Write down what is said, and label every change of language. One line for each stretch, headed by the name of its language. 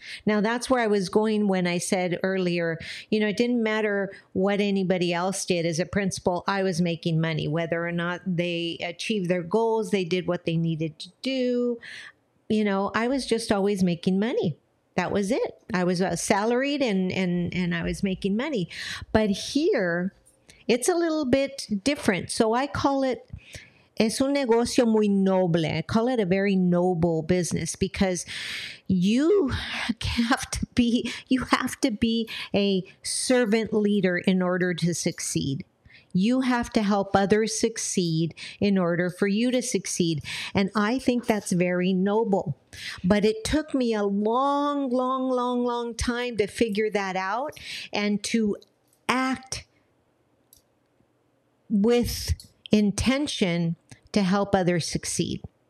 English: Now, that's where I was going when I said earlier, you know, it didn't matter what anybody else did as a principal, I was making money, whether or not they achieved their goals, they did what they needed to do. You know, I was just always making money. That was it. I was salaried and I was making money. But here, it's a little bit different. So I call it,
Spanish: es un negocio muy noble.
English: I call it a very noble business because you have to be a servant leader in order to succeed. You have to help others succeed in order for you to succeed. And I think that's very noble. But it took me a long, long, long, long time to figure that out and to act with intention to help others succeed.